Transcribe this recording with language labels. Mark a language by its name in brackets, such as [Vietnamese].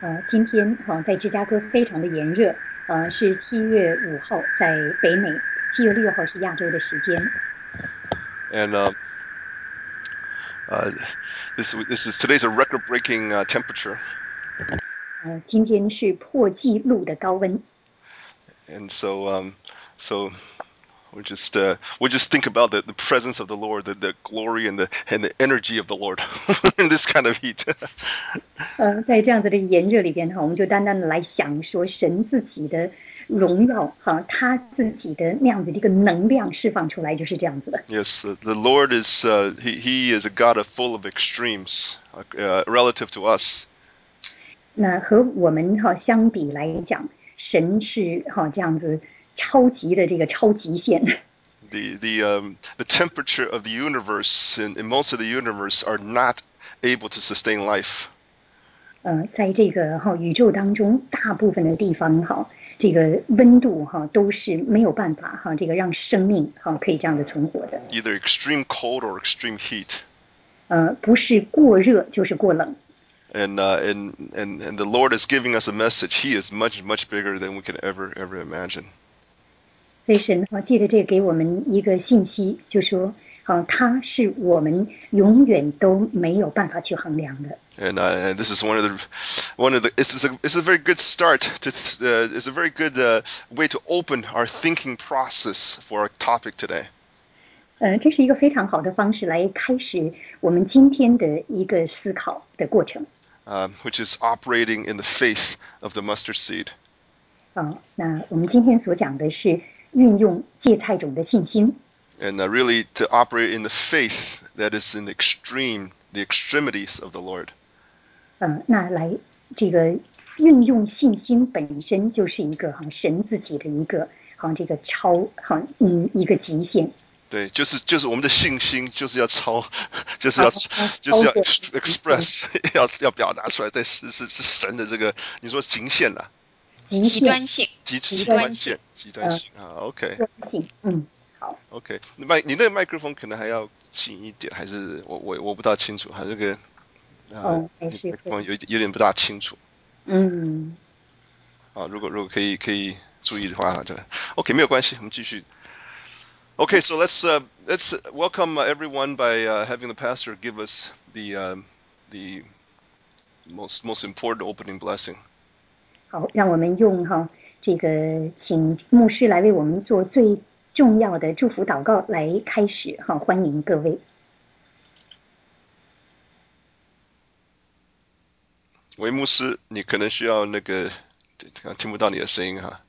[Chinese] 今天在芝加哥非常的炎热，是七月五号在北美，七月六号是亚洲的时间。 [English] And this is today's a record-breaking temperature. [Chinese] 今天是破纪录的高温。 [English] And so we just think about the presence of the Lord, the glory and the energy of the Lord in this kind of heat. [Chinese] 在这样子的炎热里边哈，我们就单单的来想说神自己的荣耀哈，他自己的那样子的一个能量释放出来就是这样子的。 [English] Yes, the Lord is he is a God of full of extremes, relative to us. [Chinese] 那和我们哈相比来讲。神是这样子超级的这个超极限。 [English] The temperature of the universe and most of the universe are not able to sustain life. [Chinese] 在这个宇宙当中，大部分的地方这个温度都是没有办法这个让生命可以这样子存活的。 [English] Either extreme cold or extreme heat. [Chinese] 不是过热就是过冷。 [English] And the Lord is giving us a message. He is much, much bigger than we can ever imagine. [Chinese] 所以神借着这个给我们一个信息，就说，他是我们永远都没有办法去衡量的。 [English] And this is one of the. It's a very good start to. It's a very good way to open our thinking process for our topic today. [Chinese] 这是一个非常好的方式来开始我们今天的一个思考的过程。 [English] Which is operating in the faith of the mustard seed. [Chinese] 那我们今天所讲的是运用芥菜种的信心。 [English] And really to operate in the faith that is in the extremities of the Lord. [Chinese] 那来这个运用信心本身就是一个神自己的一个这个超一个极限。对，就是我们的信心，就是要超，就是要就是要 express， 要表达出来，对，是神的这个，你说极限了，极端性，极端性，极端性啊 ，OK，好，OK， 你那个麦克风可能还要近一点，还是我不大清楚，还是个，麦克风有点不大清楚，如果可以注意的话，对 ，OK， 没有关系，我们继续。 [English] Okay, so let's welcome everyone by having the pastor give us the most important opening blessing. [Chinese] 好，让我们用这个请牧师来为我们做最重要的祝福祷告来开始欢迎各位。喂，牧师，你可能需要那个听不到你的声音